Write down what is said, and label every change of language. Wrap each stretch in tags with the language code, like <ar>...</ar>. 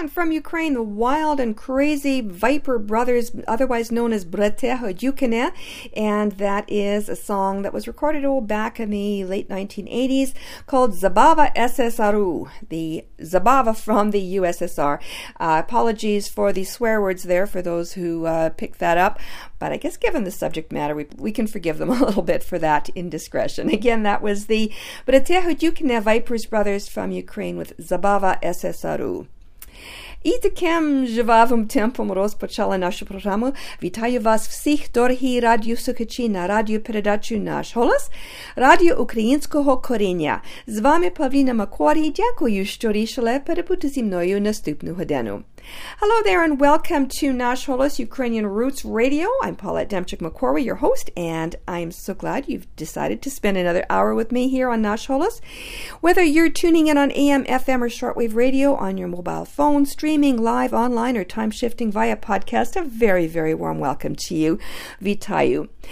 <en>Ukraine, the wild and crazy Viper Brothers, otherwise known as Bratehu Dukine, and that is a song that was recorded back in the late 1980s called Zabava SSRU, the Zabava from the USSR. Apologies for the swear words there for those who picked that up, but I guess given the subject matter, we can forgive them a little bit for that indiscretion. Again, that was the Bratehu Dukine Vipers Brothers from Ukraine with Zabava SSRU.</en> <uk>І таким живавим темпом розпочали нашу програму. Вітаю вас всіх, дорогі радіослухачі, на радіопередачу «Наш голос» Радіо Українського коріння. З вами Павліна Макуарі. Дякую, що рішили перебути зі мною наступну годину.</uk> <en>Hello there and welcome to Nash Holos Ukrainian Roots Radio. I'm Paulette Demchuk-McCorry, your host, and I'm so glad you've decided to spend another hour with me here on Nash Holos. Whether you're tuning in on AM, FM, or shortwave radio on your mobile phone, streaming live online, or time-shifting via podcast, a very, very warm welcome to you. Vitayu.</en>